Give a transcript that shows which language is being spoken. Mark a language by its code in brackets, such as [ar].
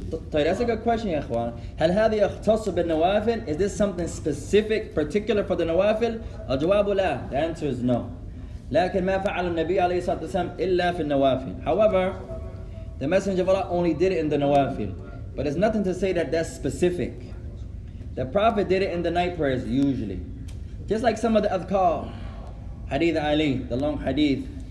[en] That's a good question, Yaquan. [ar] هل هذا يختص بالنوافل? [en] Is this something specific, particular for the نوافل? [ar] الجواب لا. [en] The answer is no. [ar] لكن ما فعل النبي عليه الصلاة والسلام إلا في النوافل. [en] However, the Messenger of Allah only did it in the نوافل. But there's nothing to say that that's specific. The Prophet did it in the night prayers usually, just like some of the أذكار. Hadith Ali, the long hadith.